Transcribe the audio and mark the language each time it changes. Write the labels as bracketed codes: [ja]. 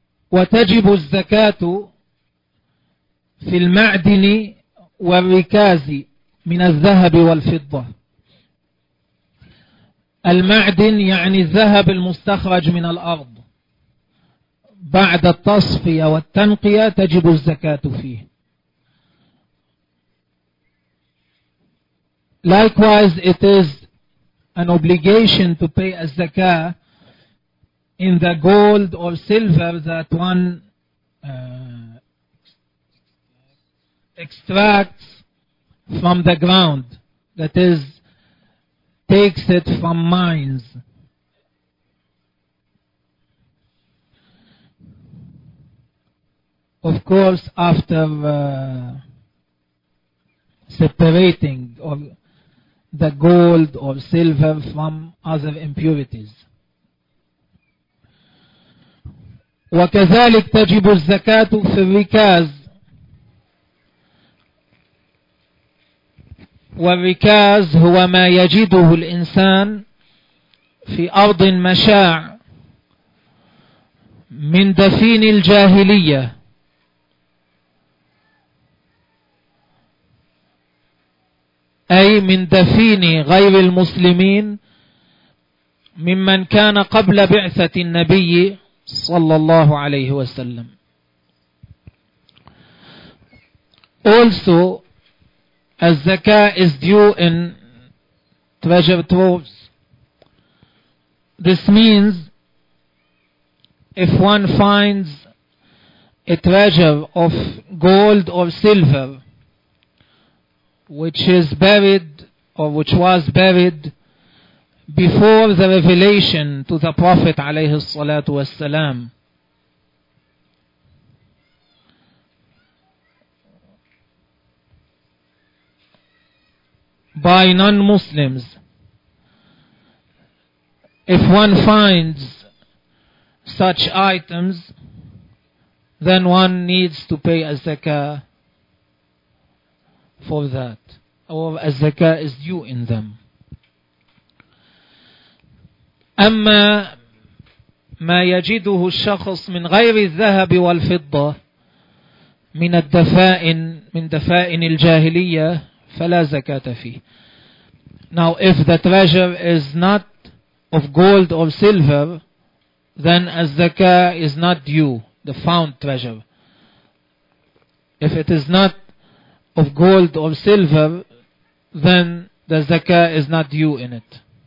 [ar] وتجب الزكاة في المعدن والركاز من الذهب والفضة. المعدن يعني الذهب المستخرج من الأرض بعد التصفية والتنقية تجب الزكاة فيه. [en] Likewise, it is an obligation to pay a zakah in the gold or silver that one extracts from the ground, that is, takes it from mines. Of course, after separating or the gold or silver from other impurities. [ar] وكذلك تجب الزكاة في الركاز والركاز هو ما يجده الإنسان في أرض مشاع من دفين الجاهلية. أي من دفين غير المسلمين ممن كان قبل بعثة النبي صلى الله عليه وسلم. [en] Also, as zakah is due in treasure troves, this means if one finds a treasure of gold or silver which is buried or which was buried before the revelation to the Prophet [ar] alayhi salatu wassalam, [en] by non-Muslims, if one finds such items, then one needs to pay a zakah for that, or a zakah is due in them. [ar] أما ما يجده الشخص من غير الذهب والفضة من الدفائن من دفائن الجاهلية فلا زكاة فيه. [en] Now if the treasure is not of gold or silver, then az-zakah is not due, the found treasure. If it is not of gold or silver, then the zakah is not due in it.